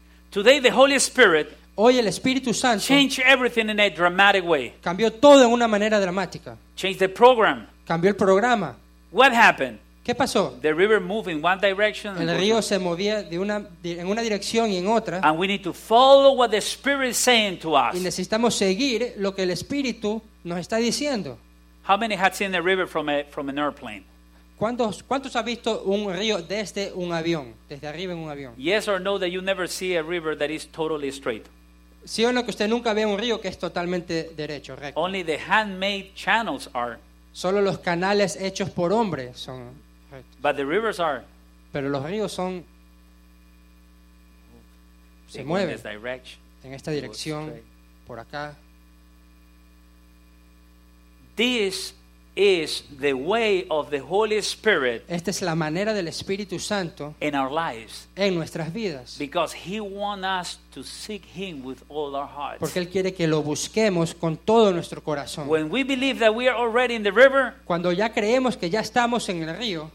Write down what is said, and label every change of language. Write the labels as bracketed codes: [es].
[en] Today the Holy Spirit [es] hoy el Espíritu Santo [en] changed everything in a dramatic way. [es] Cambió todo en una manera dramática. [en] Changed the program. [es] Cambió el programa. [en] What happened? [es] ¿Qué pasó? [en] The river moved in one direction. [es] El río se movía en una dirección y en otra. [en] And we need to follow what the Spirit is saying to us. [es] Y necesitamos seguir lo que el Espíritu nos está diciendo. [en] How many have seen the river from an airplane? [es] ¿Cuántos ha visto un río desde un avión, desde arriba en un avión? [en] Yes or no that you never see a river that is totally straight. [es] Sí o no que usted nunca ve un río que es totalmente derecho, recto. [en] Only the handmade channels are. [es] Solo los canales hechos por hombres son. [en] But the rivers are. [es] Pero los ríos son. Se mueven. En esta dirección, por acá. [en] This is the way of the Holy Spirit. [es] Esta es la manera del Espíritu Santo. [en] In our lives. [es] En nuestras vidas. [en] Because He wants us to seek Him with all our hearts. [es] Porque Él quiere que lo busquemos con todo nuestro corazón. [en] When we believe that we are already in the river, [es] cuando ya creemos que ya estamos en el río,